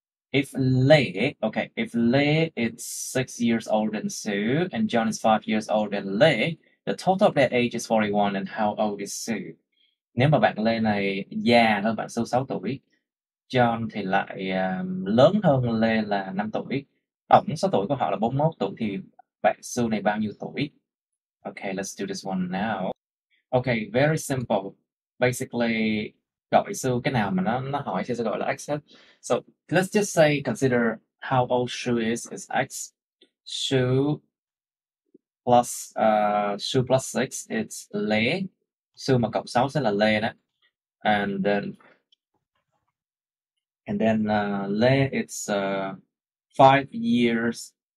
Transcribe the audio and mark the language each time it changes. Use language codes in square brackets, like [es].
[en] If Lê is 6 years older than Sue and John is 5 years older than Lê, the total of their age is 41 and how old is Sue? [vi] Nếu mà bạn Lê này già hơn bạn Sue 6 tuổi, John thì lại lớn hơn Lê là 5 tuổi. Tổng số tuổi của họ là 41 tuổi thì bạn Sue này bao nhiêu tuổi? [en] Okay, let's do this one now. Okay, very simple. Basically, [vi] gọi Sue cái nào mà nó hỏi thì sẽ gọi là X. [en] So let's just say consider how old Sue is X. Sue plus 6 it's Lê. [vi] Sue mà cộng 6 sẽ là Lê đó. [en] Lê it's 5 years.